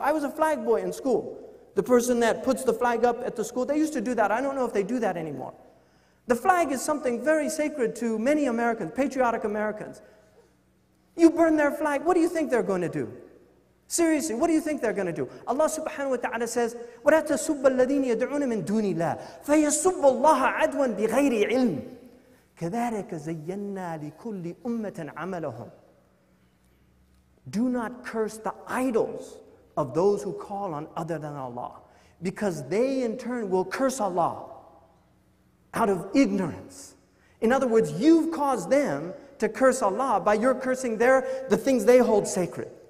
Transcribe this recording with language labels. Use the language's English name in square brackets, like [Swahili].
[English] I was a flag boy in school. The person that puts the flag up at the school, they used to do that. I don't know if they do that anymore. The flag is something very sacred to many Americans, patriotic Americans. You burn their flag, what do you think they're going to do? Seriously, what do you think they're going to do? Allah subhanahu wa ta'ala says, [Arabic] وَلَا تَسُبَّ الَّذِينَ يَدْعُونَ مِن دُونِ اللَّهِ فَيَسُبَّ اللَّهَ عَدْوًا بِغَيْرِ عِلْمٍ. كَذَٰرِكَ زَيَّنَّا لِكُلِّ أُمَّةً عَمَلَهُمْ. [English] Do not curse the idols of those who call on other than Allah, because they in turn will curse Allah out of ignorance. In other words, you've caused them to curse Allah by your cursing the things they hold sacred.